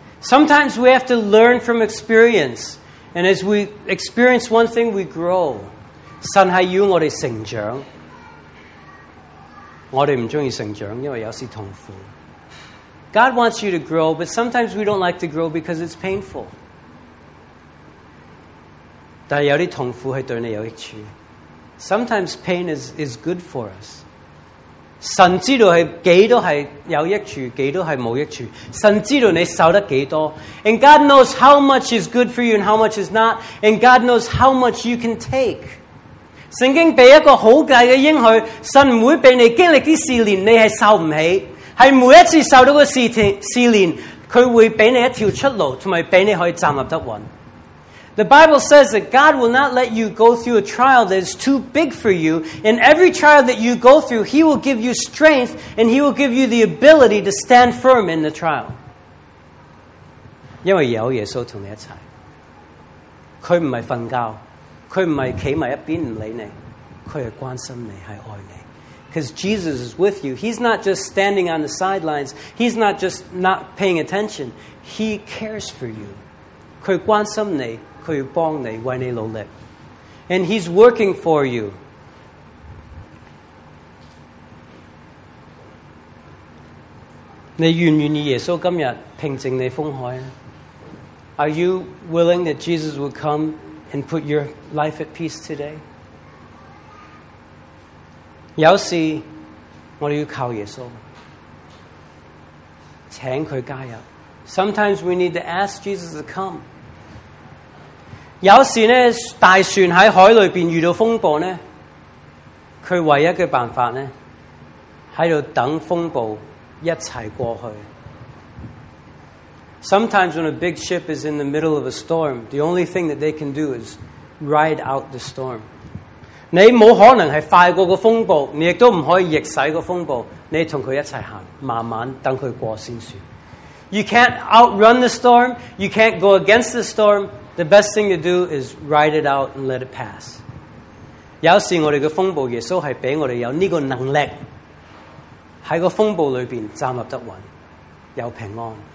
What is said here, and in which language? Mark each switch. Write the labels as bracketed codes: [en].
[en] Sometimes we have to learn from experience, and as we experience one thing, we grow. [yue] 神系要我哋成长。我哋唔中意成长，因为有时痛苦。 [en] God wants you to grow, but sometimes we don't like to grow because it's painful. [yue] 但有啲痛苦系对你有益处。 [en] Sometimes pain is good for us. [yue] 神知道系几多系有益处，几多系冇益处。神知道你受得几多。 [en] And God knows how much is good for you and how much is not. And God knows how much you can take. [yue] 圣经俾一个好大嘅应许，神唔会俾你经历啲试炼，你系受唔起。系每一次受到个试炼，佢会俾你一条出路，同埋俾你可以站立得稳。 [en] The Bible says that God will not let you go through a trial that is too big for you. In every trial that you go through, He will give you strength and He will give you the ability to stand firm in the trial. [yue] 因为有耶稣同你一齐，佢唔系瞓觉。佢唔系企埋一边唔理你，佢系关心你，系爱你。 [en] Because Jesus is with you, He's not just standing on the sidelines. He's not just not paying attention. He cares for you. [yue] 佢关心你，佢要帮你，为你努力。 [en] And He's working for you. [yue] 你愿唔愿意耶稣今日平静你风海啊 [en] ？Are you willing that Jesus will come? And put your life at peace today. [yue] 有时我哋要靠耶稣，请佢加入。 [en] Sometimes we need to ask Jesus to come. [yue] 有时呢，大船喺海里边遇到风暴呢，佢唯一嘅办法呢，喺度等风暴一齐过去。 [en] Sometimes when a big ship is in the middle of a storm, the only thing that they can do is ride out the storm. [yue] 你冇可能系快过个风暴，你亦都唔可以逆驶个风暴。你同佢一齐行，慢慢等佢过先算。 [en] You can't outrun the storm. You can't go against the storm. The best thing to do is ride it out and let it pass. [yue] 有时我哋嘅风暴，耶稣系俾我哋有呢个能力喺个风暴里边站立得稳，有平安。